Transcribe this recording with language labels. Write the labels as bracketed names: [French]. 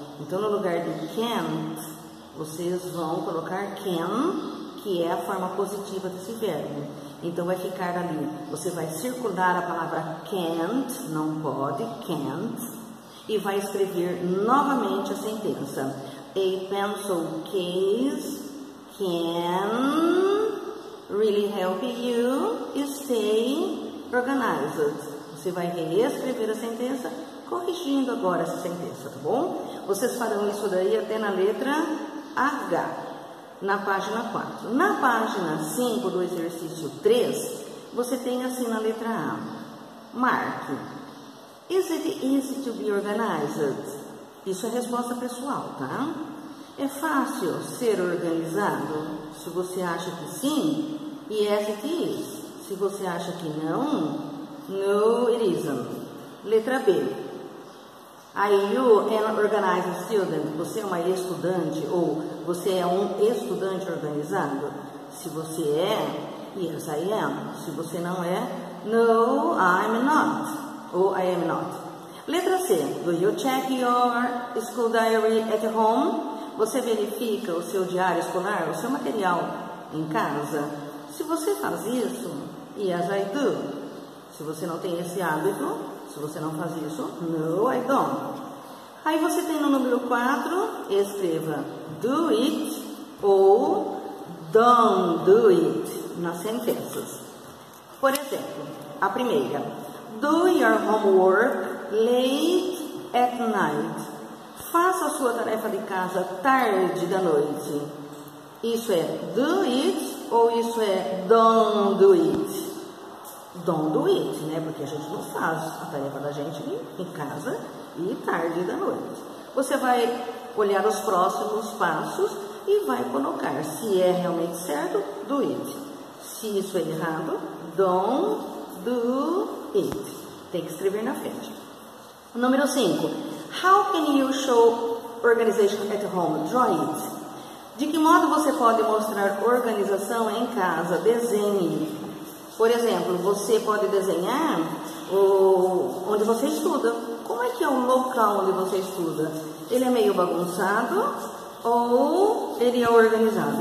[Portuguese] Então, no lugar de can't, vocês vão colocar can, que é a forma positiva desse verbo. Então, vai ficar ali. Você vai circular a palavra can't, não pode, can't, e vai escrever novamente a sentença. [English] A pencil case can really help you stay organized. [Portuguese] Você vai reescrever a sentença, corrigindo agora essa sentença, tá bom? Vocês farão isso daí até na letra H, na página 4. Na página 5 do exercício 3, você tem assim na letra A: marque. [English] Is it easy to be organized? [Portuguese] Isso é resposta pessoal, tá? É fácil ser organizado? Se você acha que sim, [English] yes it is. [Portuguese] Se você acha que não, [English] no it isn't. [Portuguese] Letra B: [English] Are you an organized student? [Portuguese] Você é uma estudante ou você é um estudante organizado? Se você é, [English] yes I am. [Portuguese] Se você não é, [English] no I'm not. [Portuguese] Ou [English] I am not. [Portuguese] Letra C: [English] Do you check your school diary at home? [Portuguese] Você verifica o seu diário escolar, o seu material em casa? Se você faz isso, [English] yes I do. [Portuguese] Se você não tem esse hábito, se você não faz isso, [English] no, I don't. [Portuguese] Aí você tem no número 4, escreva [English] do it [Portuguese] ou [English] don't do it [Portuguese] nas sentenças. Por exemplo, a primeira: [English] Do your homework late at night. [Portuguese] Faça a sua tarefa de casa tarde da noite. Isso é [English] do it [Portuguese] ou isso é don't do it? [English] Don't do it, [Portuguese] né? Porque a gente não faz a tarefa da gente em casa e tarde da noite. Você vai olhar os próximos passos e vai colocar se é realmente certo, [English] do it. [Portuguese] Se isso é errado, [English] don't do it. [Portuguese] Tem que escrever na frente. Número 5. [English] How can you show organization at home? Draw it. [Portuguese] De que modo você pode mostrar organização em casa? Desenhe. Por exemplo, você pode desenhar onde você estuda. Como é que é o local onde você estuda? Ele é meio bagunçado ou ele é organizado?